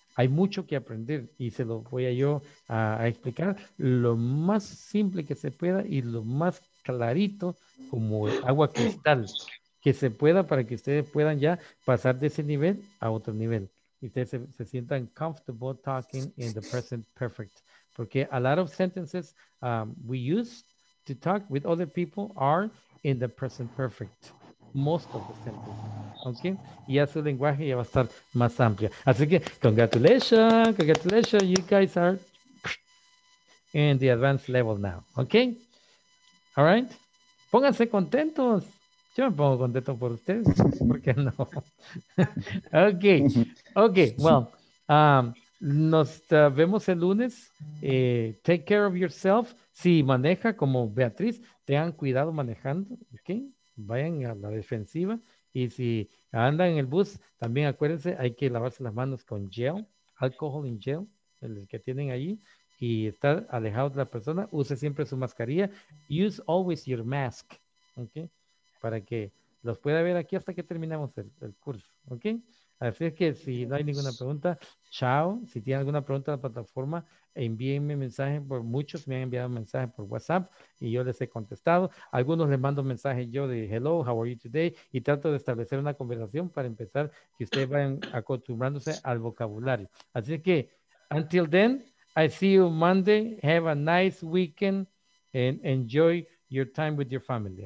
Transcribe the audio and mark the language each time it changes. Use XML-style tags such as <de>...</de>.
<es>Hay mucho que aprender y se lo voy a yo a explicar lo más simple que se pueda y lo más clarito como agua cristal que se pueda para que ustedes puedan ya pasar de ese nivel a otro nivel. Y ustedes se sientan</es> <en>comfortable talking in the present perfect. Porque a lot of sentences we use to talk with other people are in the present perfect. Most of the sentences.</en> <es>Okay, ya su lenguaje ya va a estar más amplio. Así que,</es> <en>congratulations, you guys are in the advanced level now. Okay, all right,</en> <es>pónganse contentos. Yo me pongo contento por ustedes, ¿por qué no? Okay, well, nos vemos el lunes.</es> <en>Take care of yourself.</en> <es>Si maneja como Beatriz, tengan cuidado manejando. Okay, vayan a la defensiva. Y si andan en el bus, también acuérdense, hay que lavarse las manos con gel, alcohol en gel, el que tienen ahí, y estar alejado de la persona. Use siempre su mascarilla.</es> <en>Use always your mask,</en> <es>¿ok? Para que los pueda ver aquí hasta que terminemos el curso, ¿ok? Así es que si no hay ninguna pregunta, chao. Si tienen alguna pregunta a la plataforma, envíenme mensaje. Muchos me han enviado mensajes por WhatsApp y yo les he contestado. Algunos les mando mensajes yo de</es> <en>hello, how are you today?</en> <es>Y trato de establecer una conversación para empezar que ustedes vayan acostumbrándose al vocabulario. Así que,</es> <en>until then, I see you Monday. Have a nice weekend and enjoy your time with your family.</en>